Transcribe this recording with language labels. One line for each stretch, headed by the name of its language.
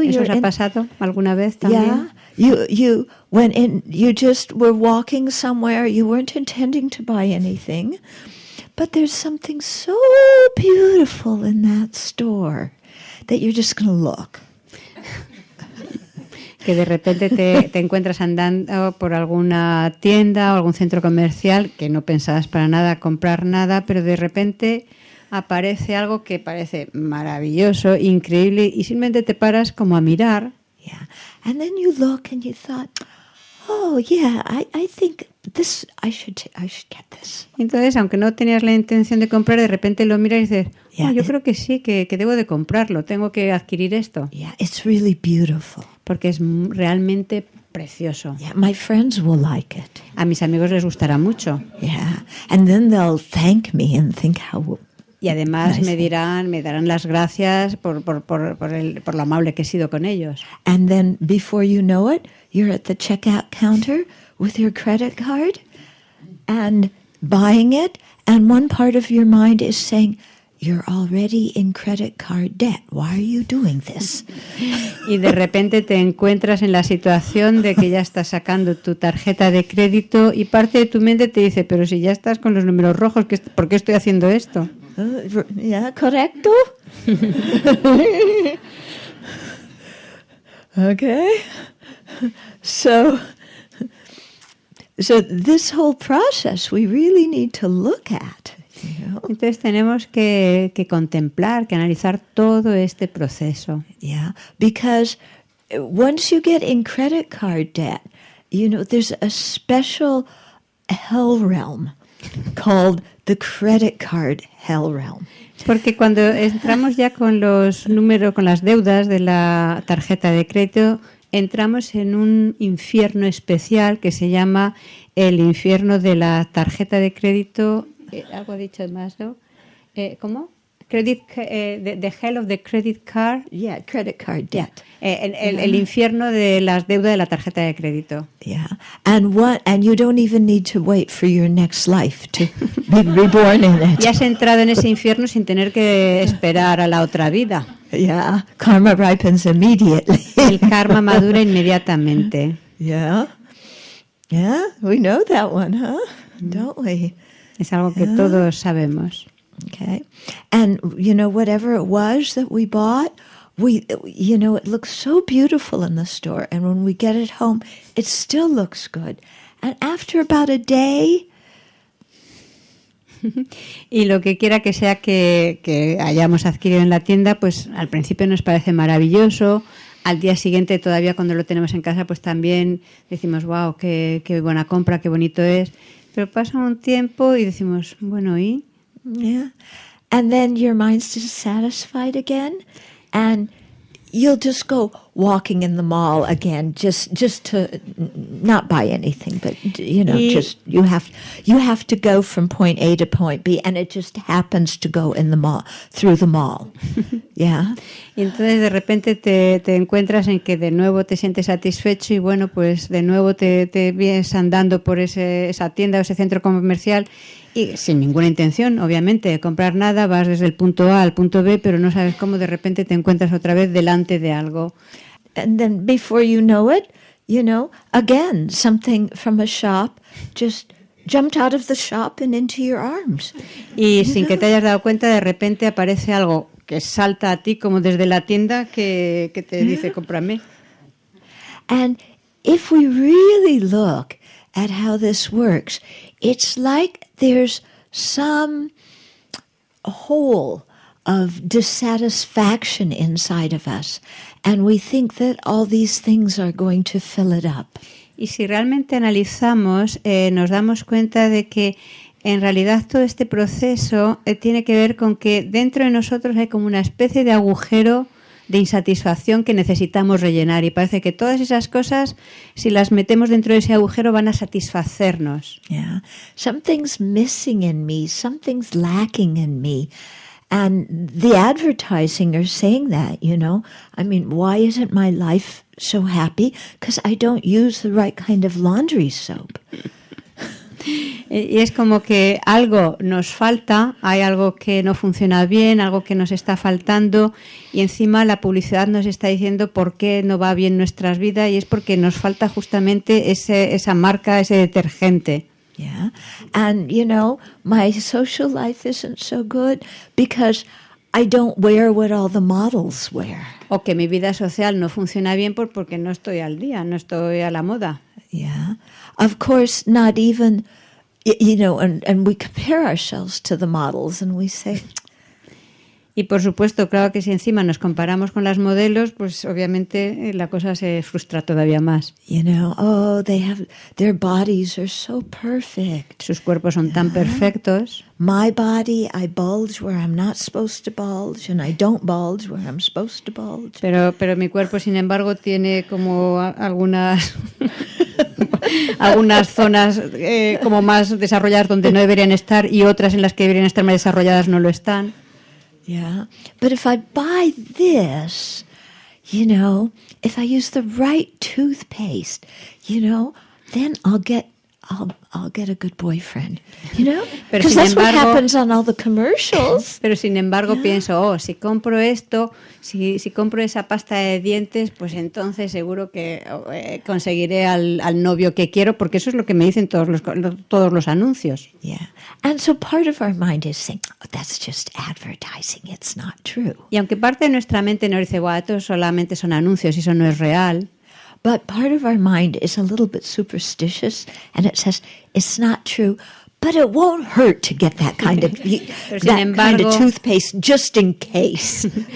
Spanish: ¿Eso os ha pasado alguna vez también?
English: Yeah. You went in, you just were walking somewhere, you weren't intending to buy anything, but there's something so beautiful in that store that you're just going to look.
Spanish: Que de repente te encuentras andando por alguna tienda o algún centro comercial que no pensabas para nada comprar nada, pero de repente aparece algo que parece maravilloso, increíble, y simplemente te paras como a mirar.
English: Yeah. And then you look and you thought, oh yeah, I think this I should get this.
Spanish: Entonces, aunque no tenías la intención de comprar, de repente lo miras y dices, yeah, yo creo que sí, que debo de comprarlo, tengo que adquirir esto.
English: Yeah, it's really beautiful.
Spanish: Porque es realmente precioso.
English: Yeah, my friends will like it.
Spanish: A mis amigos les gustará mucho.
English: Yeah. And then they'll thank me and think how
Spanish: y además me darán las gracias por lo amable que he sido con ellos.
English: And then before you know it, you're at the checkout counter with your credit card and buying it, and one part of your mind is saying, you're already in credit card debt. Why are you doing this?
Spanish: Y de repente te encuentras en la situación de que ya estás sacando tu tarjeta de crédito y parte de tu mente te dice, pero si ya estás con los números rojos, ¿por qué estoy haciendo esto? Yeah, correcto.
English: Okay. So this whole process we really need to look at.
Spanish: Entonces tenemos que contemplar, que analizar todo este proceso.
English: Yeah, because once you get in credit card debt, you know, there's a special hell realm called the credit card hell realm.
Spanish: Porque cuando entramos ya con los números, con las deudas de la tarjeta de crédito, entramos en un infierno especial que se llama el infierno de la tarjeta de crédito. Algo dicho más, ¿no? ¿Cómo?
English: The hell of the credit card. Yeah, credit card debt. Yeah.
Spanish: El infierno de las deudas de la tarjeta de crédito.
English: Yeah. And you don't even need to wait for your next life to be reborn in it.
Spanish: Ya has entrado en ese infierno sin tener que esperar a la otra vida.
English: Yeah. Karma ripens immediately.
Spanish: El karma madura inmediatamente.
English: Yeah. Yeah. We know that one, huh? Don't we?
Spanish: Es algo que todos sabemos.
English: Okay. And you know, whatever it was that we bought, we, you know, it looks so beautiful in the store, and when we get it home, it still looks good. And after about a day,
Spanish: Y lo que quiera que sea que hayamos adquirido en la tienda, pues al principio nos parece maravilloso. Al día siguiente, todavía cuando lo tenemos en casa, pues también decimos, wow, qué buena compra, qué bonito es. Pero pasa un tiempo y decimos, bueno, ¿y?
English: Yeah. And then your mind's dissatisfied again. And you'll just go walking in the mall again, just to not buy anything, but you know, you have to go from point A to point B, and it just happens to go in the mall, through the mall, yeah.
Spanish: Y entonces de repente te encuentras en que de nuevo te sientes satisfecho y bueno, pues de nuevo te vienes andando por esa tienda o ese centro comercial. Y sin ninguna intención, obviamente, de comprar nada, vas desde el punto A al punto B, pero no sabes cómo de repente te encuentras otra vez delante de algo.
English: And then before you know it, you know, again, something from a shop just jumped out of the shop and into your arms.
Spanish: Y sin que te hayas dado cuenta, de repente aparece algo que salta a ti como desde la tienda que te dice, cómprame.
English: And if we really look at how this works, it's like there's some hole of dissatisfaction inside of us, and we think that all these things are going to fill it up.
Spanish: Y si realmente analizamos, nos damos cuenta de que en realidad todo este proceso tiene que ver con que dentro de nosotros hay como una especie de agujero de insatisfacción que necesitamos rellenar, y parece que todas esas cosas, si las metemos dentro de ese agujero, van a satisfacernos.
English: Yeah. Something's missing in me, something's lacking in me. And the advertising are saying that, you know. I mean, why isn't my life so happy? Because I don't use the right kind of laundry soap.
Spanish: Y es como que algo nos falta, hay algo que no funciona bien, algo que nos está faltando, y encima la publicidad nos está diciendo por qué no va bien nuestras vidas, y es porque nos falta justamente esa marca, ese detergente.
English: Yeah. And you know, my social life isn't so good because I don't wear what all the models wear.
Spanish: O que mi vida social no funciona bien porque no estoy al día, no estoy a la moda.
English: Yeah. Of course, not even, you know, and we compare ourselves to the models and we say.
Spanish: Y por supuesto, claro que si encima nos comparamos con las modelos, pues obviamente la cosa se frustra todavía más.
English: You know, oh, their bodies are so perfect.
Spanish: Sus cuerpos son tan perfectos.
English: My body, I bulge where I'm not supposed to bulge, and I don't bulge where I'm supposed to bulge.
Spanish: Pero mi cuerpo, sin embargo, tiene como algunas zonas como más desarrolladas donde no deberían estar, y otras en las que deberían estar más desarrolladas no lo están.
English: Yeah, but if I buy this, you know, if I use the right toothpaste, you know, then I'll get a good boyfriend, you know? Because that's what happens on all the commercials.
Spanish: Pero sin embargo, yeah. Pienso, oh, si compro esto, si compro esa pasta de dientes, pues entonces seguro que conseguiré al novio que quiero, porque eso es lo que me dicen todos los anuncios.
English: Yeah. And so part of our mind is saying, oh, that's just advertising, it's not true.
Spanish: Y aunque parte de nuestra mente nos dice, bueno, esto solamente son anuncios, eso no es real.
English: But part of our mind is a little bit superstitious, and it says it's not true. But it won't hurt to get that kind of toothpaste just in case.